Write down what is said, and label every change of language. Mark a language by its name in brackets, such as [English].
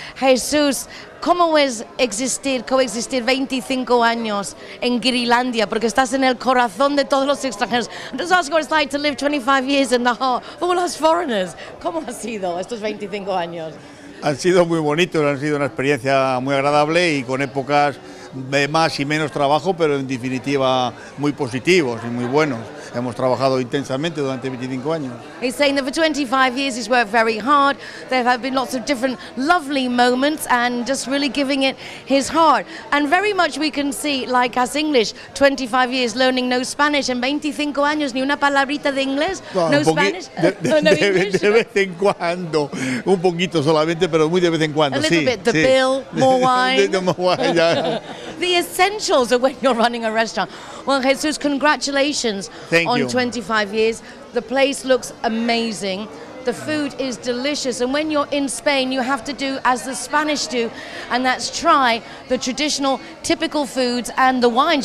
[Spanish] Jesus, ¿cómo es existir, coexistir 25 años en Guirilandia? Porque estás en el corazón de todos los extranjeros. [English] I'm just asking what it's like to live 25 years in the heart of all us foreigners. [Spanish] ¿Cómo ha sido estos 25 años? Han sido muy bonitos, han sido una experiencia muy agradable y con épocas de más y menos trabajo, pero en definitiva muy positivos y muy buenos. Hemos trabajado intensamente durante 25 años. [English] He's saying that for 25 years he's worked very hard. There have been lots of different lovely moments and just really giving it his heart. And very much we can see, like us English, 25 years learning no Spanish and [Spanish] 25 años ni una palabrita de inglés, [English] no Spanish, no English. [Spanish] De vez en cuando, un poquito solamente, pero muy de vez en cuando. [English] A little [Spanish] sí, [English] bit, the [Spanish] sí. [English] Bill, more wine. More wine, yeah. The essentials of when you're running a restaurant. Well, Jesus, congratulations. Thank on you. 25 years. The place looks amazing. The food is delicious. And when you're in Spain, you have to do as the Spanish do, and that's try the traditional, typical foods and the wines.